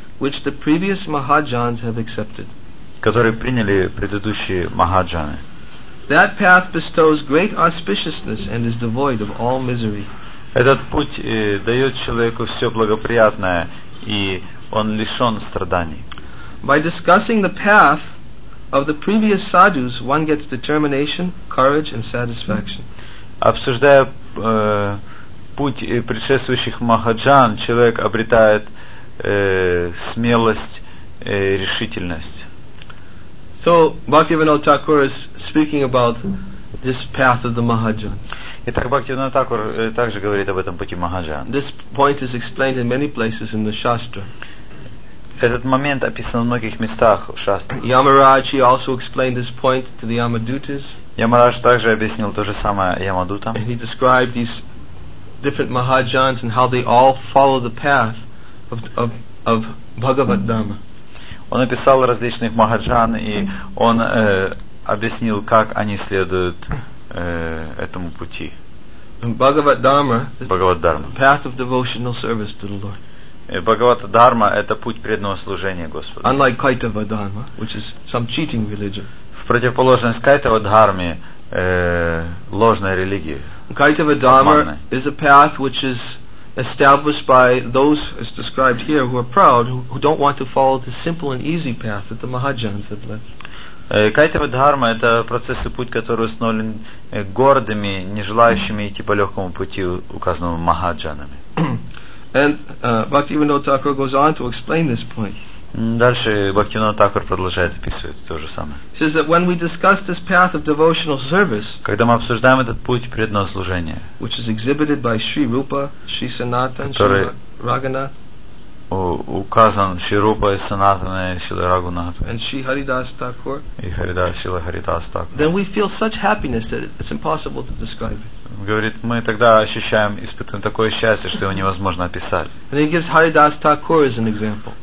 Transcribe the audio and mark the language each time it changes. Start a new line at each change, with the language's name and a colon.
English: which the previous mahajans have accepted.
Russian: Которые приняли предыдущие махаджаны.
English: That path bestows great auspiciousness and is devoid of all misery.
Russian: Этот путь дает человеку все благоприятное, и он лишен страданий.
English: By discussing the path of the previous sadhus, one gets determination, courage, and satisfaction.
Russian: Обсуждая путь предшествующих махаджан, человек обретает смелость, решительность.
English: So Bhaktivinoda Thakur is speaking about this path of the Mahajan.
Russian: Итак, Бхактивинода Такур также говорит об этом пути махаджан.
English: This point is explained in many places in the Shastra.
Russian: Этот момент описан в многих местах в Шастре.
English: Yamaraj, he also explained this point to the Yamadutas.
Russian: Yamaraj также объяснил то же самое Yamadutam.
English: And he described these different Mahajans and how they all follow the path of Bhagavad Dhamma.
Russian: Он описал различных Mahajan и он объяснил, как они следуют этому пути.
English: Bhagavad Dhamma, the path of devotional service to the Lord.
Russian: Бхагавата Дхарма – это путь преданного служения Господу.
English: Unlike Kaitava Dharma, which is some cheating religion.
Russian: В противоположность Кайтава Дхарме – ложной религии.
English: Kaitava Dharma is a path which is established by those, as described here, who are proud, who don't want to follow the simple and easy path that the Mahajans have left.
Russian: Кайтава Дхарма – это процесс и путь, который установлен гордыми, не желающими идти по легкому пути, указанному Махаджанами.
English: And Bhaktivinoda Thakur goes on to explain this point.
Russian: Дальше Бхактивинода Такур продолжает описывать то же самое.
English: He says that when we discuss this path of devotional service,
Russian: когда мы обсуждаем этот путь преданного служения,
English: which is exhibited by Sri Rupa, Sri Sanatan, Sri Raghunath,
Russian: указан Sri Rupa и Sanatan и Sri Raghunath,
English: and Sri Haridas Thakur,
Russian: и Haridas Sri Haridas Thakur,
English: then we feel such happiness that it's impossible to describe it.
Russian: Говорит, мы тогда ощущаем, испытываем такое счастье, что его невозможно описать.
English: And he gives Haridas Thakur as an example.